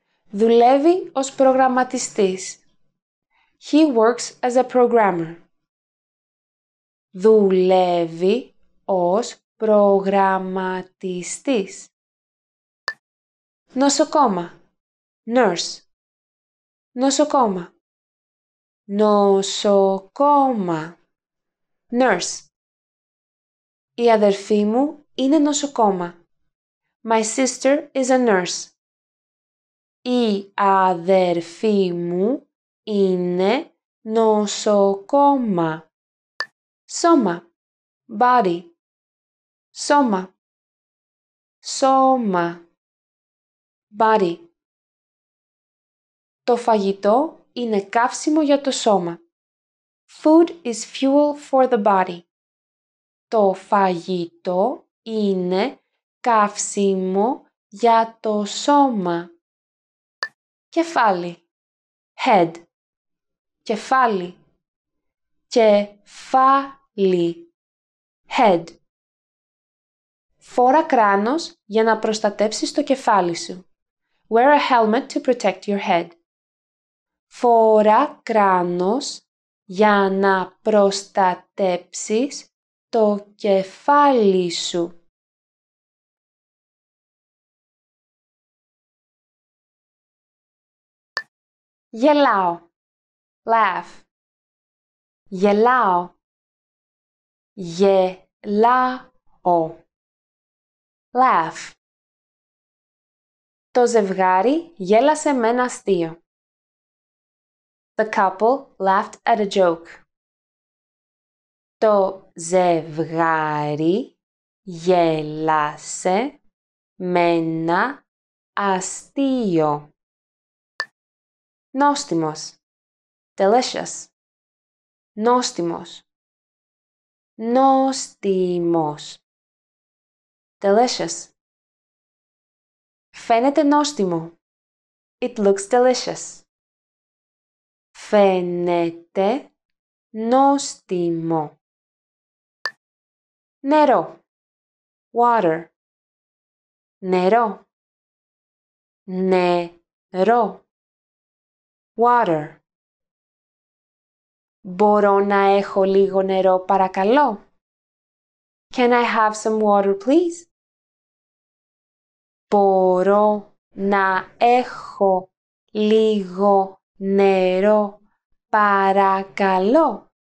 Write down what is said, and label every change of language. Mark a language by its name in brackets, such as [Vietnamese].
[Greek] Δουλεύει ως προγραμματιστής. [English] He works as a programmer. [Greek] Δουλεύει ως προγραμματιστής. Νοσοκόμα. [English] Nurse. [Greek] Νοσοκόμα. Νοσοκόμα. [English] Nurse. [Greek] Η αδερφή μου είναι νοσοκόμα. [English] My sister is a nurse. [Greek] Η αδερφή μου είναι νοσοκόμα. Σώμα. [English] Body. [Greek] Σώμα. Σώμα. [English] Body. [Greek] Το φαγητό είναι καύσιμο για το σώμα. [English] Food is fuel for the body. [Greek] Το φαγητό είναι καύσιμο για το σώμα. Κεφάλι. [English] Head. [Greek] Κεφάλι. Κεφάλι. [English] Head. [Greek] Φόρα κράνος για να προστατέψεις το κεφάλι σου. [English] Wear a helmet to protect your head. [Greek] Φόρα κράνος για να προστατέψεις το κεφάλι σου. Γελάω. [English] Laugh. [Greek] Γελάω. Γελάω. [English] Laugh. [Greek] Το ζευγάρι γέλασε με ένα αστείο. [English] The couple laughed at a joke. [Greek] Το ζευγάρι γέλασε με ένα αστείο. Νόστιμος. [English] Delicious. [Greek] Νόστιμος. Νόστιμος. [English] Delicious. [Greek] Φαίνεται νόστιμο. [English] It looks delicious. [Greek] Φαίνεται νόστιμο. Νερό. [English] Water. [Greek] Νερό. Νερό. [English] Water. [Greek] Μπορώ να έχω λίγο νερό, παρακαλώ. [English] Can I have some water, please? [Greek] Μπορώ να έχω λίγο νερό, παρακαλώ.